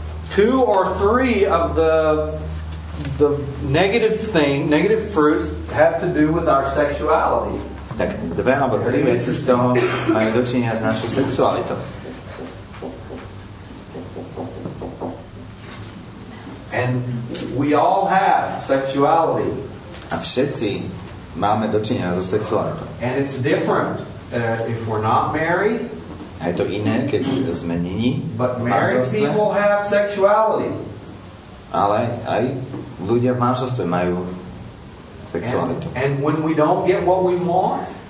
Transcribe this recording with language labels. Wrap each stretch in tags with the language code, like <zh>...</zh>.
<en>Two or three of the negative fruits have to do with our sexuality.</en> <sk>Tak dve alebo tri veci z toho majú dočinenia s našou sexualitou.</sk> <en>And we all have sexuality.</en> <sk>A všetci máme dočinenia so sexualitou.</sk> <en>And it's different if we're not married.</en> <sk>A je to iné, keď sme není.</sk> <en>But married people have sexuality.</en> <sk>Ale aj ľudia v manželstve majú sexualitu.</sk> <en>And when we don't get what we want,</en>